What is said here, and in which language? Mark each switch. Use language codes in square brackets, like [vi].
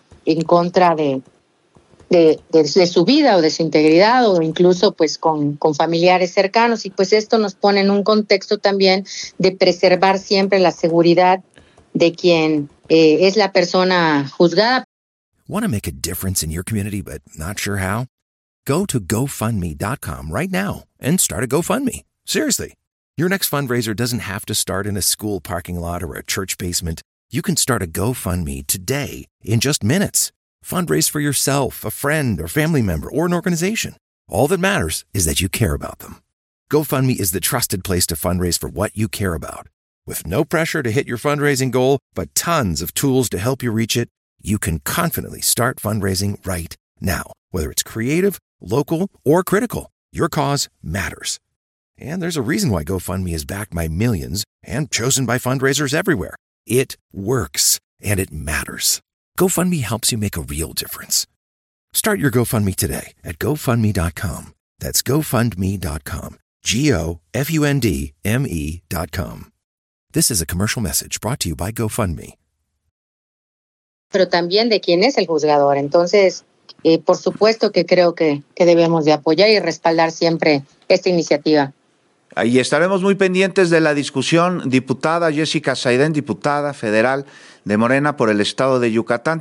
[es] En contra de su vida o de su integridad, o incluso pues con familiares cercanos. Y pues esto nos pone en un contexto también de preservar siempre la seguridad de quien es la persona juzgada. [en] Want to make a difference in your community but not sure how? Go to GoFundMe.com right now and start a GoFundMe. Seriously, your next fundraiser doesn't have to start in a school parking lot or a church basement. You can start a GoFundMe today in just minutes. Fundraise for yourself, a friend, or family member, or an organization. All that matters is that you care about them. GoFundMe is the trusted place to fundraise for what you care about. With no pressure to hit your fundraising goal, but tons of tools to help you reach it, you can confidently start fundraising right now. Whether it's creative, local, or critical, your cause matters. And there's a reason why GoFundMe is backed by millions and chosen by fundraisers everywhere. It works, and it matters. GoFundMe helps you make a real difference. Start your GoFundMe today at GoFundMe.com. That's GoFundMe.com. GoFundMe.com. This is a commercial message brought to you by GoFundMe. [es] Pero también de quién es el juzgador. Entonces, por supuesto que creo que debemos de apoyar y respaldar siempre esta iniciativa. Ahí estaremos muy pendientes de la discusión. Diputada Jessica Zaidén, diputada federal de Morena por el estado de Yucatán.